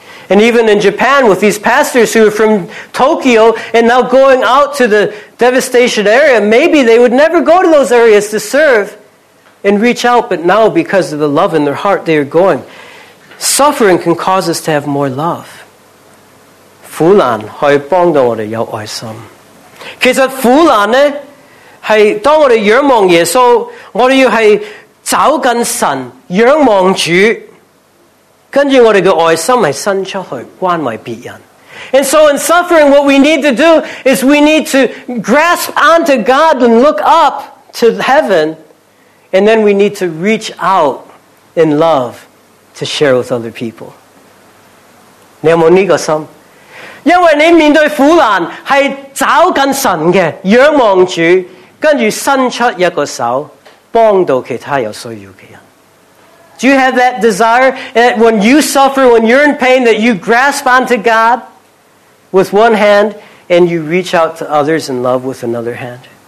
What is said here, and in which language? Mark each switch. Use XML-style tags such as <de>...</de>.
<en>And even in Japan, with these pastors who are from Tokyo and now going out to the devastation area, maybe they would never go to those areas to serve and reach out, but now because of the love in their heart, they are going. Suffering can cause us to have more love.</en> <zh>苦难可以帮到我们有爱心。其实苦难呢，是当我们仰望耶稣，我们要是找紧神，仰望主，跟着我们的爱心是伸出去关怀别人。</zh> <en>And so in suffering, what we need to do is we need to grasp onto God and look up to heaven, and then we need to reach out in love to share with other people.</en> <zh>你有没有这个心？因为你面对苦难是找紧神的，仰望主，跟着伸出一个手帮到其他有需要的人。</zh> <en>Do you have that desire that when you suffer, when you're in pain, that you grasp onto God with one hand and you reach out to others in love with another hand?</en>